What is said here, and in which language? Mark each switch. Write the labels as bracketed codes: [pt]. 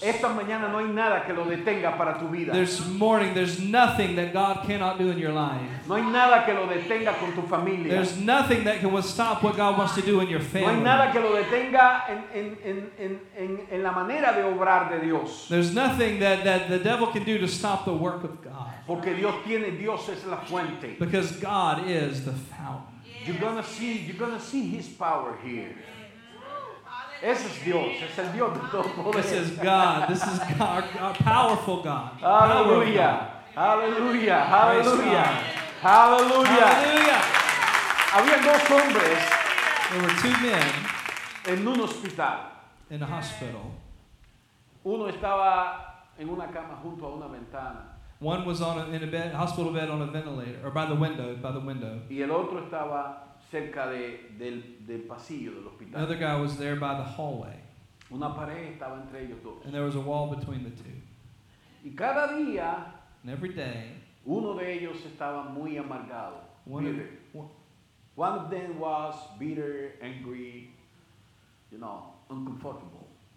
[es] Esta mañana no hay nada que lo detenga para tu vida. [en] This morning, there's nothing that God cannot do in your life. [es] No hay nada que lo detenga con tu familia. [en] There's nothing that can stop what God wants to do in your family. [es] No hay nada que lo detenga en la manera de obrar de Dios. [en] There's nothing that the devil can do to stop the work of God. [es] Porque Dios es la fuente. [en] Because God is the fountain. You're gonna see His power here. [es] Ese es Dios, es el Dios de todo poder. [en] This is God. This is God, our powerful God. Hallelujah. Hallelujah. Hallelujah. Hallelujah. Hallelujah. [es] Había dos hombres. [en] There were two men. [es] En un hospital. [en] In a hospital. [es] Uno estaba en una cama junto a una ventana. [en] One was in a hospital bed on a ventilator, or by the window. [es] Y el otro estaba cerca del pasillo del hospital. [en] Another guy was there by the hallway. [es] Una pared estaba entre ellos dos. [en] And there was a wall between the two. [es] Y cada día, [en] and every day, [es] uno de ellos estaba muy amargado. [en] One of them was bitter, angry, you know, uncomfortable.